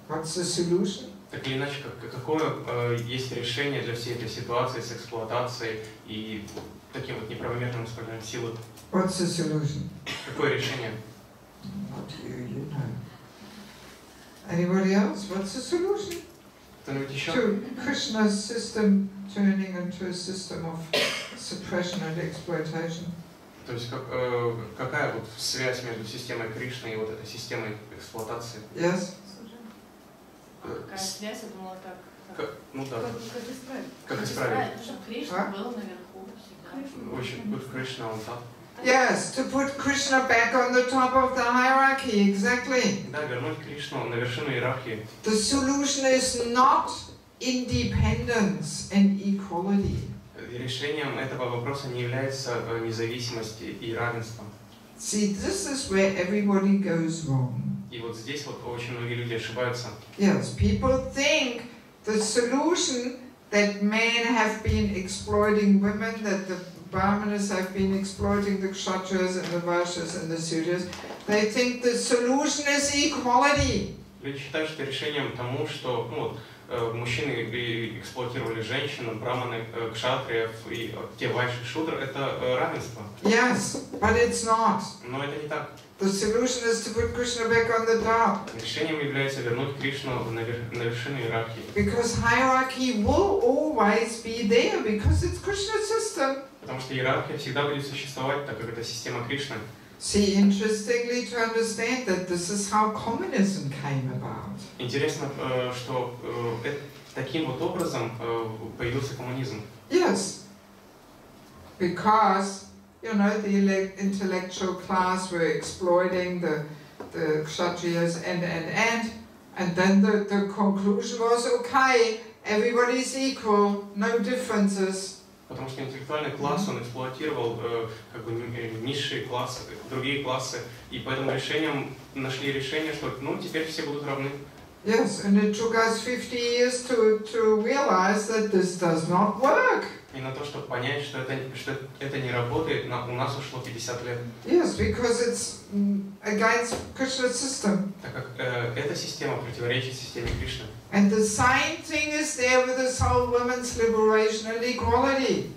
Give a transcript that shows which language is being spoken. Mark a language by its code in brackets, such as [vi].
[en] What's the solution? [ru] Так или иначе, какое есть решение для всей этой ситуации с эксплуатацией и таким вот неправомерным использованием силы? [en] What's the solution? [ru] Какое решение? [en] Not you, you know. Anybody else? What's the solution? To Krishna's system turning into a system of suppression and exploitation. [ru] То есть какая вот связь между системой Кришны и вот этой системой эксплуатации? [en] Yes. [ru] Какая связь? Я думала так. Как исправить? Кришна был наверху всегда. В общем, Кришна он там. [en] Yes, to put Krishna back on the top of the hierarchy, exactly. [ru] Да, вернуть Кришну на вершину иерархии. [en] The solution is not independence and equality. [ru] Решением этого вопроса не является независимость и равенство. [en] See, this is where everybody goes wrong. [ru] И вот здесь вот очень многие люди ошибаются. [en] Yes, people think the solution that men have been exploiting women, that the Brahmanas have been exploiting the Kshatriyas and the Vaishyas and the Sudras. They think the solution is equality. [ru] Люди считают, что решением тому, что мужчины эксплуатировали женщин, браманы, кшатриев и те вайши, шудры, это равенство. [en] Yes, but it's not. [ru] Но это не так. [en] The solution is to put Krishna back on the top. [ru] Решением является вернуть Кришну на вершину иерархии. [en] Because hierarchy will always be there because it's Krishna's system. [ru] Потому что иерархия всегда будет существовать, так как это система Кришны. [en] See, interestingly to understand that this is how communism came about. [ru] Интересно, что таким вот образом появился коммунизм. [en] Yes, because you know the intellectual class were exploiting the kshatriyas and then the conclusion was okay, everybody's equal, no differences. [ru] Потому что интеллектуальный класс он эксплуатировал низшие классы, другие классы, и поэтому решением нашли решение, что теперь все будут равны. [en] Yes, and it took us 50 years to realize that this does not work. [ru] И на то, чтобы понять, что это не работает, у нас ушло 50 лет. [en] Yes, because it's against Krishna's system. [ru] Так как эта система противоречит системе Кришны. [en] And the same thing is there with the soul women's liberation and equality.